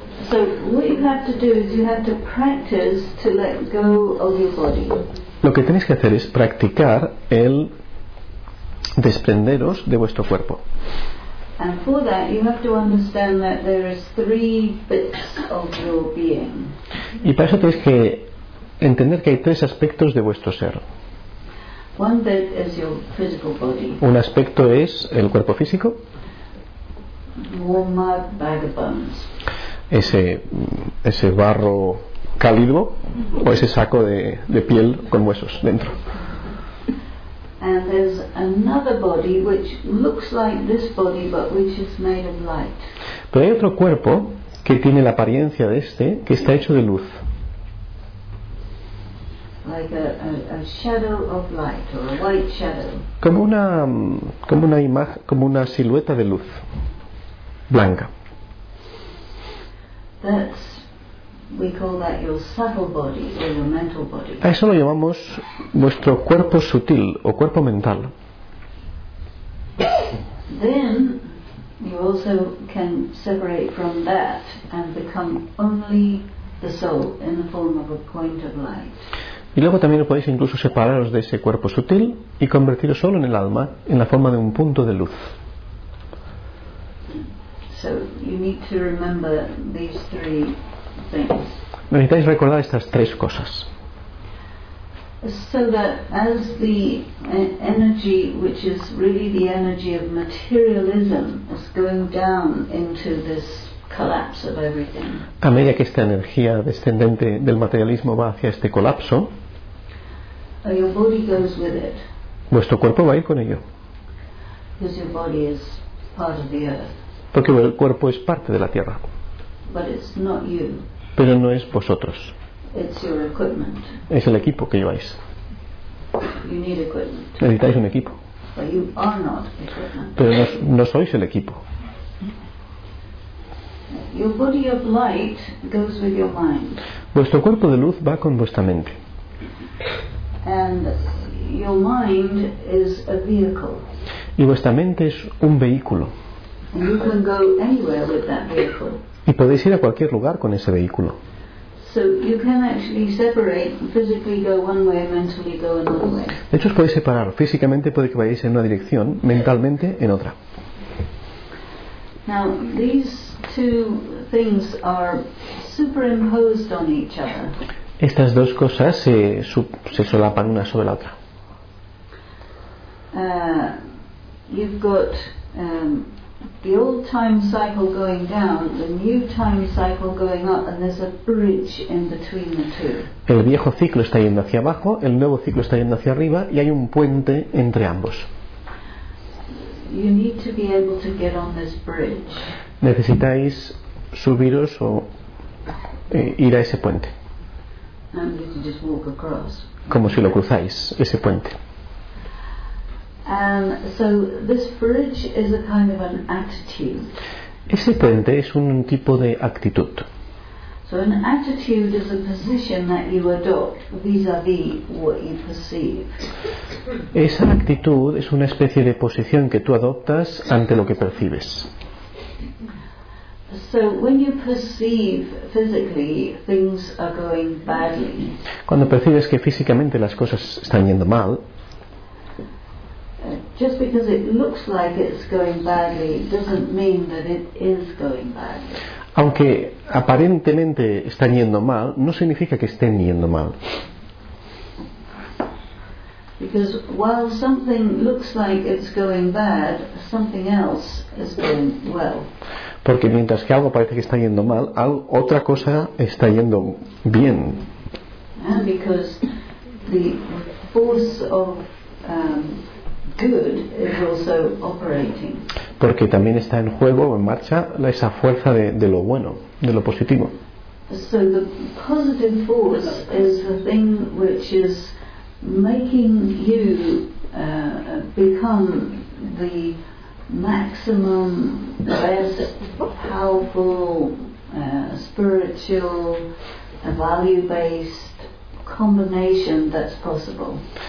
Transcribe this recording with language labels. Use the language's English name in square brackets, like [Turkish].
[English] So what you have to do is you have to practice to let go of your body. [Spanish] Lo que tenéis que hacer es practicar el desprenderos de vuestro cuerpo. [English] And for that you have to understand that there is three bits of your being. [Spanish] Y para eso tenéis que entender que hay tres aspectos de vuestro ser. [English] One bit is your physical body. [Spanish] Un aspecto es el cuerpo físico. [English] Warm mud by the bones. [Spanish] Ese barro cálido o ese saco de piel con huesos dentro. [English] And there's another body which looks like this body but which is made of light. [Spanish] Pero hay otro cuerpo que tiene la apariencia de este que está hecho de luz. [English] Like a shadow of light or a white shadow. [Spanish] Como una imagen, como una silueta de luz blanca. [English] That's we call that your subtle body or your mental body. [Spanish] A eso lo llamamos vuestro cuerpo sutil o cuerpo mental. [English] Then you also can separate from that and become only the soul in the form of a point of light. [Spanish] Y luego también podéis incluso separaros de ese cuerpo sutil y convertiros solo en el alma, en la forma de un punto de luz. [English] So you need to remember these three things. [Spanish] Necesitáis recordar estas tres cosas. [English] So that as the energy, which is really the energy of materialism, is going down into this collapse of everything. [Spanish] A medida que esta energía descendente del materialismo va hacia este colapso, [English] your body goes with it. [Spanish] Vuestro cuerpo va a ir con ello. [English] Because your body is part of the earth. [Spanish] Porque el cuerpo es parte de la tierra. [English] But it's not you. [Spanish] Pero no es vosotros. [English] It's your equipment. [Spanish] Es el equipo que lleváis. [English] You need equipment. [Spanish] Necesitáis un equipo. [English] But you are not equipment. [Spanish] Pero no sois el equipo. [English] Your body of light goes with your mind. [Spanish] Vuestro cuerpo de luz va con vuestra mente. [English] And your mind is a vehicle. [Spanish] Y vuestra mente es un vehículo. [English] And you can go anywhere with that vehicle. [Spanish] Y podéis ir a cualquier lugar con ese vehículo. [English] So you can actually separate, physically go one way, mentally go another way. [Spanish] De hecho, os podéis separar. Físicamente puede que vayáis en una dirección, mentalmente en otra. [English] Now, these two things are superimposed on each other. [Spanish] Estas dos cosas se solapan una sobre la otra. [English] You've got the old time cycle going down, the new time cycle going up, and there's a bridge in between the two. [Spanish] El viejo ciclo está yendo hacia abajo, el nuevo ciclo está yendo hacia arriba, y hay un puente entre ambos. [English] You need to be able to get on this bridge. [Spanish] Necesitáis subiros o ir a ese puente. [English] And you can just walk across. [Spanish] Como si lo cruzáis, ese puente. [English] And so this bridge is a kind of an attitude. [Spanish] Ese puente es un tipo de actitud. [English] So an attitude is a position that you adopt vis-à-vis what you perceive. [Spanish] Esa actitud es una especie de posición que tú adoptas ante lo que percibes. [English] So when you perceive physically things are going badly. [Spanish] Cuando percibes que físicamente las cosas están yendo mal. [English] Just because it looks like it's going badly doesn't mean that it is going badly. [Spanish] Aunque aparentemente están yendo mal, no significa que estén yendo mal. [English] Because while something looks like it's going bad, something else is going well. [Spanish] Porque mientras que algo parece que está yendo mal, otra cosa está yendo bien. [English] And because the force of good is also operating. [Spanish] Porque también está en juego o en marcha esa fuerza de lo bueno, de lo positivo. [English] So the positive force is the thing which is making you become the maximum, best, powerful, spiritual, value-based combination that's possible.